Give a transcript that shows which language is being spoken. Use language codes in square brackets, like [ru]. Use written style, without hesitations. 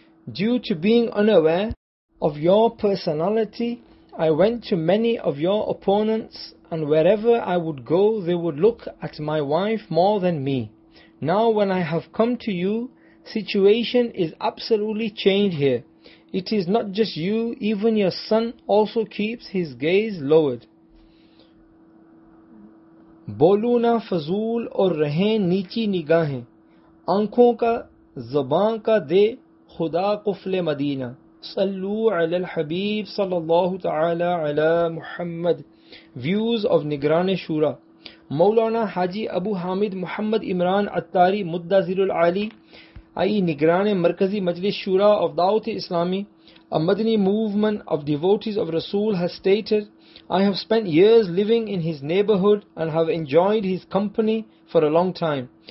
[en] Due to being unaware of your personality, I went to many of your opponents, and wherever I would go, they would look at my wife more than me. Now when I have come to you, situation is absolutely changed here. It is not just you, even your son also keeps his gaze lowered. [ur] بولو نہ فضول اور رہیں نیچی نگاہیں آنکھوں کا زبان کا دے خدا قفل مدینہ صلو علی الحبیب صلی اللہ تعالی علی محمد. [en] Views of نگران شورا. [ur] مولانا حاجی ابو حامد محمد عمران عطاری مدہ ذیل العالی آئی نگران مرکزی مجلس شورا of دعوت اسلامی. [en] A Madani movement of devotees of Rasul has stated, I have spent years living in his neighborhood and have enjoyed his company for a long time.